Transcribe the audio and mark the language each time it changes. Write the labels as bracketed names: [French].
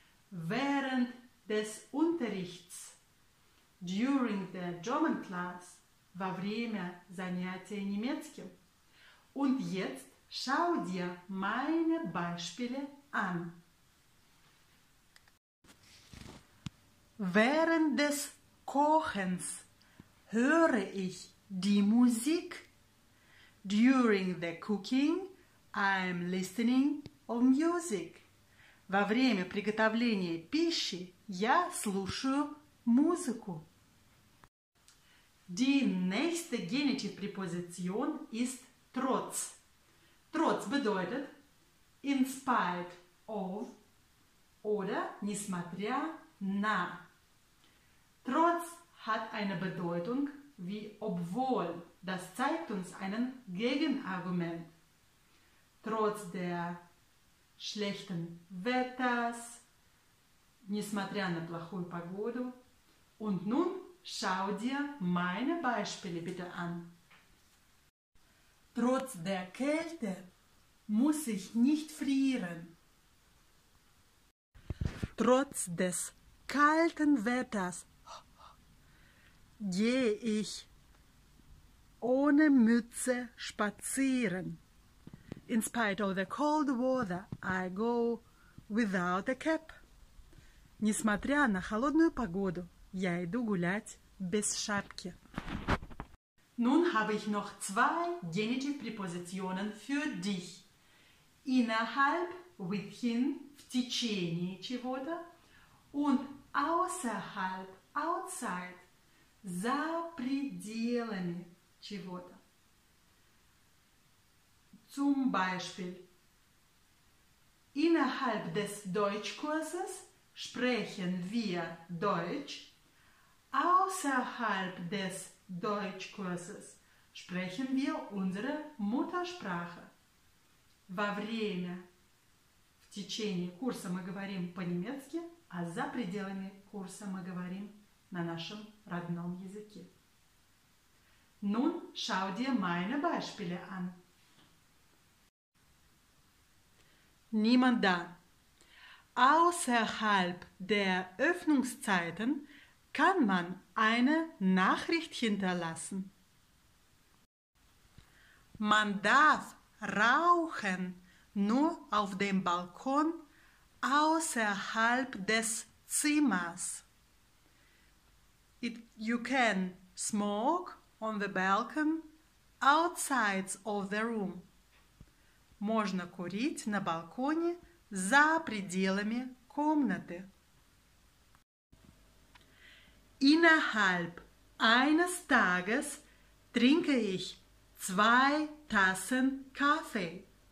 [German] Während des Unterrichts, [English] during the German class, [Russian] во время занятия немецким. [German] Und jetzt schau dir meine Beispiele an. Während des Kochens höre ich die Musik. During the cooking, I'm listening to music. [Russian] Во время приготовления пищи я слушаю музыку. [German] Die nächste Genitivpräposition ist trotz. Trotz bedeutet [English] in spite of [German] oder [Russian] несмотря на. [German] Trotz hat eine Bedeutung wie obwohl. Das zeigt uns einen Gegenargument. Trotz der schlechten Wetters, [Russian] несмотря на плохую погоду. [German] Und nun schau dir meine Beispiele bitte an. Trotz der Kälte muss ich nicht frieren. Trotz des kalten Wetters gehe ich ohne Mütze spazieren. [English] In spite of the cold weather, I go without a cap. [Russian] Несмотря на холодную погоду, я иду гулять без шапки. [German] Nun habe ich noch zwei Genitivpräpositionen für dich. Innerhalb, [English] within, [Russian] в течение чего-то, [German] und außerhalb, [English] outside, [Russian] за пределами чего-то. [German] Zum Beispiel, innerhalb des Deutschkurses sprechen wir Deutsch, außerhalb des Deutschkurses sprechen wir unsere Muttersprache. [Russian] Во время, в течение курса мы говорим по-немецки, а за пределами курса мы говорим на нашем родном языке. [German] Nun schau dir meine Beispiele an. Niemand da. Außerhalb der Öffnungszeiten kann man eine Nachricht hinterlassen. Man darf rauchen nur auf dem Balkon außerhalb des Zimmers. [English] You can smoke on the balcony outside of the room. [Russian] Можно курить на балконе за пределами комнаты. [German] Innerhalb eines Tages trinke ich zwei Tassen Kaffee.